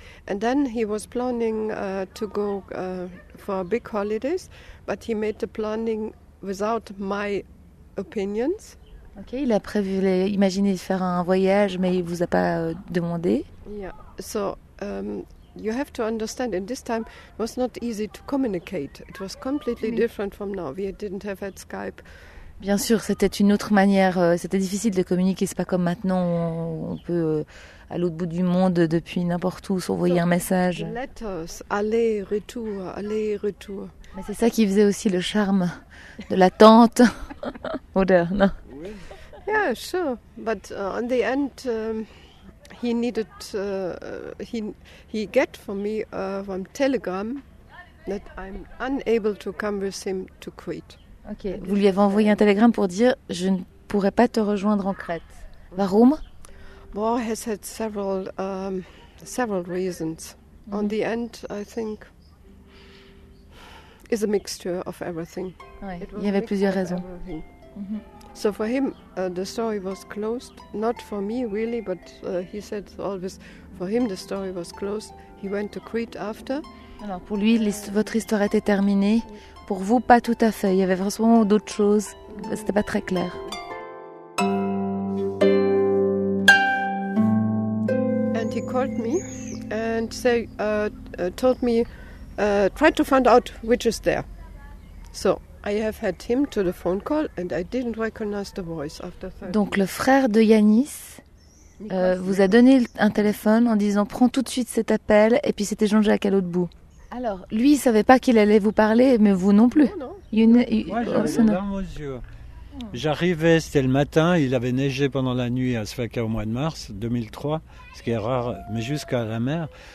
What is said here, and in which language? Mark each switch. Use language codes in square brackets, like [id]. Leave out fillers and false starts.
[en] And then he was planning to go for big holidays, but he made the planning without my opinions. [fr] Ok, il a prévu, il a imaginé faire un voyage, mais il vous a pas demandé. [en] Yeah, so you have to understand. In this time, it was not easy to communicate. It was completely different from now. We didn't have had Skype. [fr] Bien sûr, c'était une autre manière. C'était difficile de communiquer. C'est pas comme maintenant. On peut à l'autre bout du monde depuis n'importe où s'envoyer un message. Letters, aller-retour, aller-retour. Mais c'est ça qui faisait aussi le charme de l'attente moderne. [en] Yeah, sure. But on the end, he needed he get from me from telegram that I'm unable to come with him to Crete. [fr] Okay. And vous lui avez envoyé un télégramme pour dire je ne pourrai pas te rejoindre en Crète. [de] Warum? [en] Well, he had several reasons. Mm-hmm. On the end, I think, is a mixture of everything. [fr] Ouais. Il y avait plusieurs raisons. [en] So for him, the story was closed. Not for me, really, but he said always, for him, the story was closed. He went to Crete after. [fr] Alors, pour lui, votre histoire était terminée. Pour vous, pas tout à fait. Il y avait forcément d'autres choses. C'était pas très clair. [en] And he called me and say, told me, try to find out which is there. So... I have had him to the phone call and I didn't recognize the voice after 30. [fr] Donc le frère de Yanis vous a donné un téléphone en disant prends tout de suite cet appel et puis c'était Jean-Jacques à l'autre bout. Alors lui il savait pas qu'il allait vous parler mais vous non plus. Moi j'avais dans mes yeux. J'arrivais, c'était le matin, il avait neigé pendant la nuit à Sfakia au mois de mars 2003, ce qui est rare, mais jusqu'à la mer.